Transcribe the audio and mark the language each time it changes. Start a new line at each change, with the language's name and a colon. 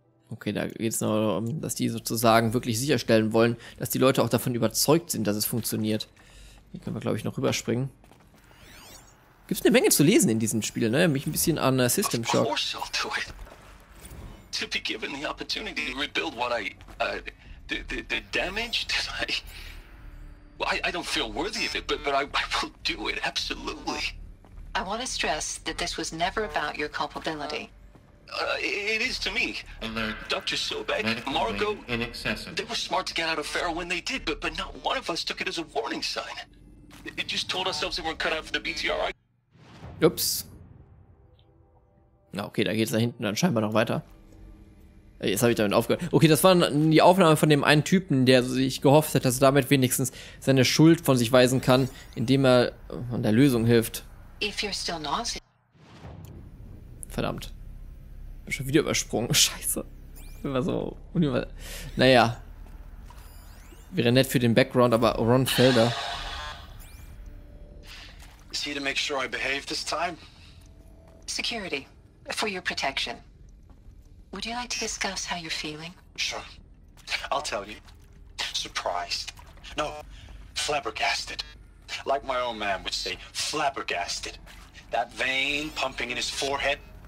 German: Okay, da geht es nur darum, dass die sozusagen wirklich sicherstellen wollen, dass die Leute auch davon überzeugt sind, dass es funktioniert. Hier können wir, glaube ich, noch rüberspringen. Gibt es eine Menge zu lesen in diesem Spiel, ne? Mich ein bisschen an System Shock.
English: To be given the opportunity to rebuild what I, the damage that I, well, I don't feel worthy of it, but I will do it absolutely. I want to stress that this was never about your culpability. It is to me. Alert. Dr. Sobek, Margot, they were smart to get out of Pharaoh when they did, but not one of us took it as a warning sign. It just told ourselves they weren't cut out for the BTRI.
German: Ups. Na okay, da geht's da hinten dann scheinbar noch weiter. Jetzt habe ich damit aufgehört. Okay, das war die Aufnahme von dem einen Typen, der sich gehofft hat, dass er damit wenigstens seine Schuld von sich weisen kann, indem er an der Lösung hilft.
English: If you're still nauseous.
German: Verdammt. Schon wieder übersprungen. Scheiße. Immer so. Naja. Wäre nett für den Background, aber Ron Felder.
English: Is he to make sure I behave this time? Security. For your protection. Would you like to discuss how you're feeling? Sure. I'll tell you. Surprised. No. Flabbergasted. Like my own man would say, flabbergasted. That vein pumping in his forehead.